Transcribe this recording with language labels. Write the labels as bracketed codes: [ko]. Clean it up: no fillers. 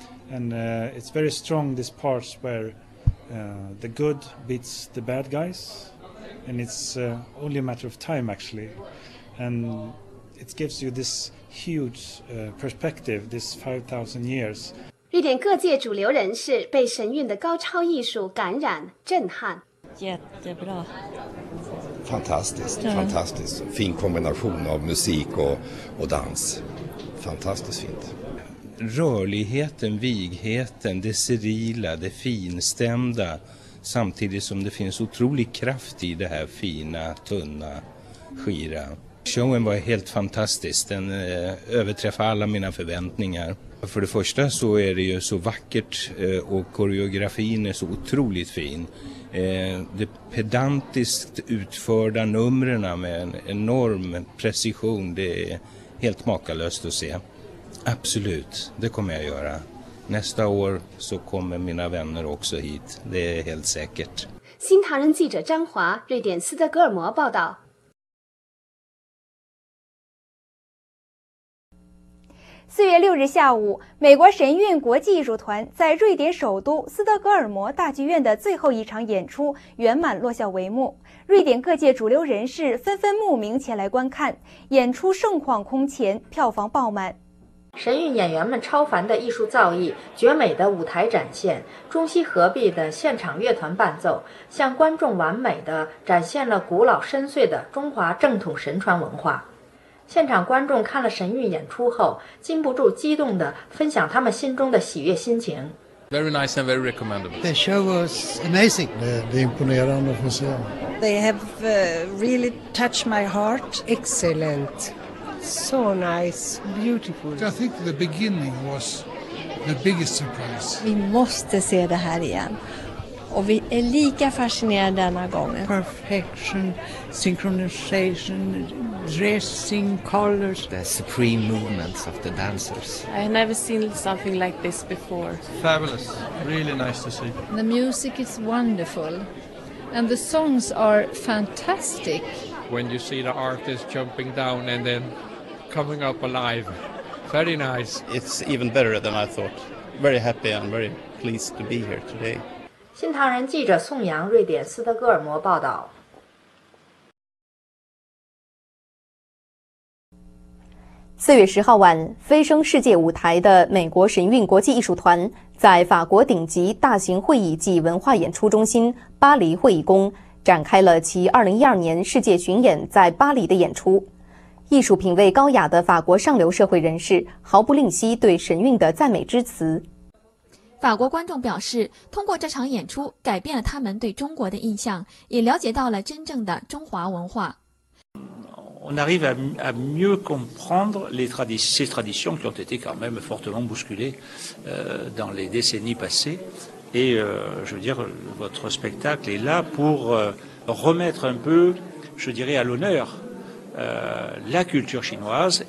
[en] And it's very strong, this part where the good beats the bad guys. And it's only a matter of time, actually. And it gives you this huge perspective, this 5,000 years. [zh] 瑞典各界主流人士被神韵的高超艺术感染震撼。 [sv] Jättebra. Fantastiskt, fantastiskt. Fin kombination av musik och dans. Fantastiskt fint. Rörligheten, vigheten, det serila, det finstämda, samtidigt som det finns otrolig kraft i det här fina, tunna, skira. Showen var helt fantastisk. Den överträffade alla mina förväntningar. För det första så är det ju så vackert och koreografin är så otroligt fin. Det pedantiskt utförda numren med en enorm precision, det är helt makalöst att se. Absolut, det kommer jag göra. Nästa år så kommer mina vänner också hit. Det är helt säkert. [zh] 新唐人记者张华，瑞典斯德哥尔摩报道。 4月6日下午，美国神韵国际艺术团在瑞典首都斯德哥尔摩大剧院的最后一场演出圆满落下帷幕。瑞典各界主流人士纷纷慕名前来观看，演出盛况空前，票房爆满。神韵演员们超凡的艺术造诣，绝美的舞台展现，中西合璧的现场乐团伴奏，向观众完美的展现了古老深邃的中华正统神传文化。现场观众看了神韵演出后，禁不住激动地分享他们心中的喜悦心情。 [en] Very nice and very recommendable. The show was amazing. [sv] The imponerande från scenen. [en] They have really touched my heart. Excellent. So nice. Beautiful. I think the beginning was the biggest surprise. [sv] Vi måste se det här igen. Och vi är lika fascinerade denna gången. [en] Perfection, synchronization, dressing, colors. The supreme movements of the dancers. I have never seen something like this before. Fabulous. Really nice to see. The music is wonderful. And the songs are fantastic. When you see the artist jumping down and then coming up alive. Very nice. It's even better than I thought. Very happy and very pleased to be here today. [zh] 新唐人记者宋阳，瑞典斯德哥尔摩报道。 4月10号晚，飞升世界舞台的美国神韵国际艺术团在法国顶级大型会议暨文化演出中心巴黎会议宫展开了其2012年世界巡演在巴黎的演出。艺术品味高雅的法国上流社会人士毫不吝惜对神韵的赞美之词。法国观众表示，通过这场演出改变了他们对中国的印象，也了解到了真正的中华文化。 [fr] On arrive à mieux comprendre ces traditions qui ont été quand même fortement bousculées dans les décennies passées. Et je veux dire, votre spectacle est là pour remettre un peu, je dirais, à l'honneur la culture chinoise.